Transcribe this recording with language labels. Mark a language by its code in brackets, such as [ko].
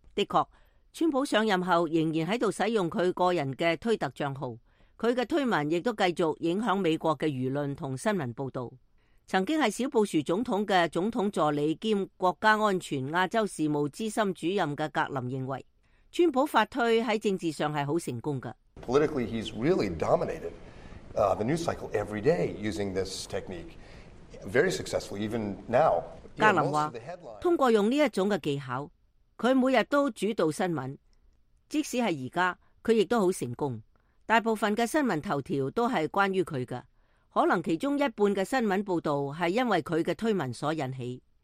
[zh] 的确，川普上任后仍然在使用他个人的推特账号，他的推文亦都继续影响美国的舆论和新闻报道。曾经是小布殊总统的总统助理兼国家安全亚洲事务资深主任的格林认为，川普发推在政治上是很成功的。 [en] Politically, he's really dominated the news cycle every day using this technique. Very successful, even now. [zh] 格林说，通过用这种技巧，他每天都主导新闻，即使是现在，他也都很成功。大部分的新闻头条都是关于他的。可能其中一半的新闻报道是因为他的推文所引起。